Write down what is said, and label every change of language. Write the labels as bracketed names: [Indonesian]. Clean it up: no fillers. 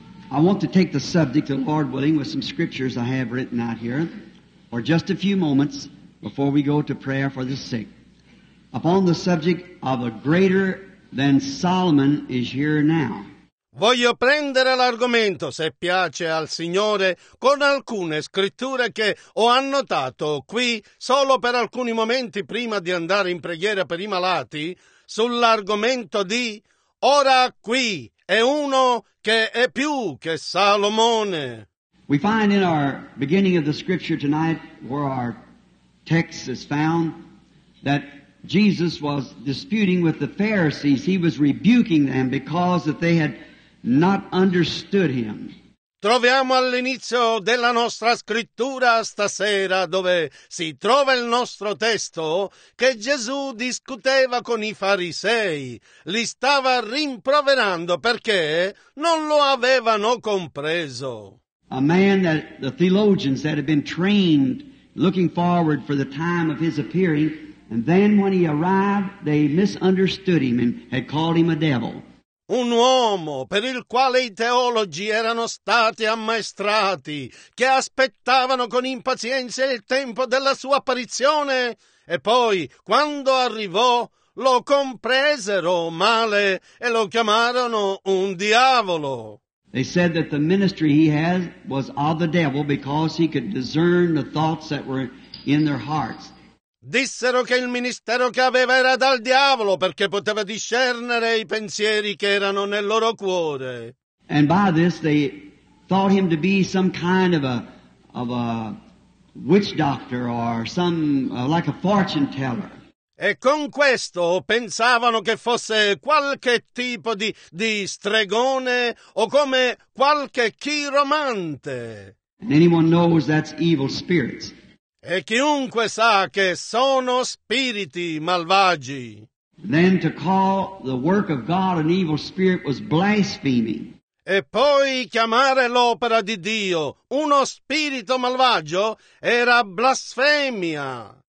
[English] I want to take the subject, of Lord willing, with some scriptures I have written out here for just a few moments before we go to prayer for the sick, upon the subject of a greater than Solomon is here now. [Italian] Voglio prendere l'argomento, se piace al Signore, con alcune scritture che ho annotato qui solo per alcuni momenti prima di andare in preghiera per i malati, sull'argomento di ora qui. È uno che è più che Salomone. [English] We find in our beginning of the scripture tonight, where our text is found, that Jesus was disputing with the Pharisees. He was rebuking them because that they had not understood him. [Italian] Troviamo all'inizio della nostra scrittura stasera, dove si trova il nostro testo, che Gesù discuteva con i farisei, li stava rimproverando perché non lo avevano compreso. [English] A man that the theologians that had been trained looking forward for the time of his appearing, and then when he arrived they misunderstood him and had called him a devil. [Italian] Un uomo per il quale i teologi erano stati ammaestrati, che aspettavano con impazienza il tempo della sua apparizione, e poi, quando arrivò, lo compresero male e lo chiamarono un diavolo. [English] They said that the ministry he had was of the devil because he could discern the thoughts that were in their hearts. [Italian] Dissero che il ministero che aveva era dal diavolo perché poteva discernere i pensieri che erano nel loro cuore. [English] And by this they thought him to be some kind of a witch doctor or some like a fortune teller. [Italian] E con questo pensavano che fosse qualche tipo di stregone o come qualche chiromante. [English] And anyone knows that's evil spirits. [Italian] E chiunque sa che sono spiriti malvagi. [English] Then to call the work of God an evil spirit was blasphemy. [Italian] E poi chiamare l'opera di Dio uno spirito malvagio era blasfemia.